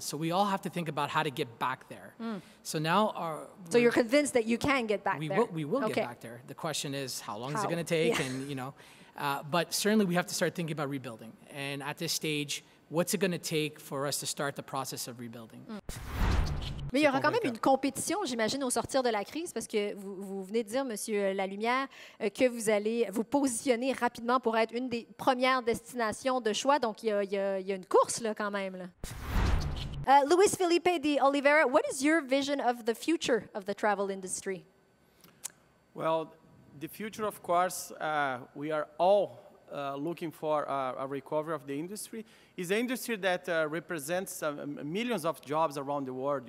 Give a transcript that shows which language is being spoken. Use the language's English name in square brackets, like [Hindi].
[English] So we all have to think about how to get back there. Mm. So now our... So you're convinced that you can get back there? We will okay. get back there. The question is, how long is it going to take? Yeah. And, you know, but certainly we have to start thinking about rebuilding. And at this stage, what's it going to take for us to start the process of rebuilding? Mm. [French] Mais il y aura quand même une compétition, j'imagine, au sortir de la crise, parce que vous venez de dire, M. Lalumière, que vous allez vous positionner rapidement pour être une des premières destinations de choix. Donc, il y a une course, là, quand même. [English] Luis Felipe de Oliveira, what is your vision of the future of the travel industry? Well, the future, of course, we are all looking for a recovery of the industry. It's an industry that represents millions of jobs around the world.